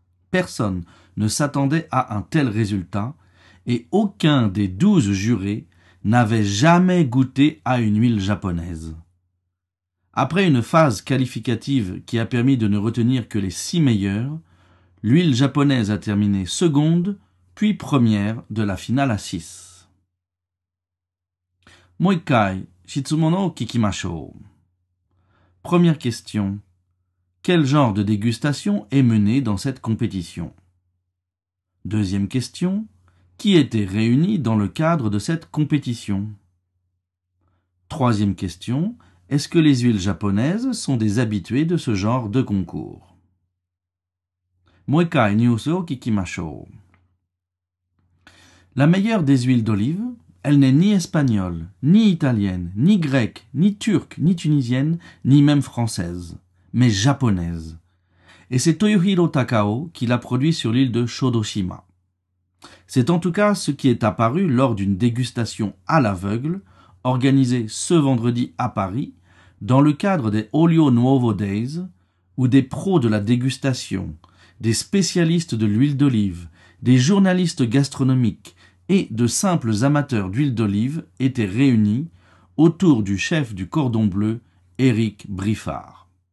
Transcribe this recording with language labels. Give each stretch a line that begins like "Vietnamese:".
French: Personne ne s'attendait à un tel résultat et aucun des 12 jurés n'avait jamais goûté à une huile japonaise. Après une phase qualificative qui a permis de ne retenir que les 6 meilleurs, l'huile japonaise a terminé seconde puis première de la finale à 6.
Japanese: もう一回、質問を聞きましょう。
French: Première question. Quel genre de dégustation est menée dans cette compétition? Deuxième question. Qui était réuni dans le cadre de cette compétition? Troisième question. Est-ce que les huiles japonaises sont des habituées de ce genre de concours?
Japanese: もう一回、ニュースを聞きましょう。
French: La meilleure des huiles d'olive? Elle n'est ni espagnole, ni italienne, ni grecque, ni turque, ni tunisienne, ni même française, mais japonaise. Et c'est Toyohiro Takao qui l'a produit sur l'île de Shodoshima. C'est en tout cas ce qui est apparu lors d'une dégustation à l'aveugle, organisée ce vendredi à Paris, dans le cadre des Olio Nuovo Days, où des pros de la dégustation, des spécialistes de l'huile d'olive, des journalistes gastronomiques,et de simples amateurs d'huile d'olive étaient réunis autour du chef du cordon bleu, Éric Briffard.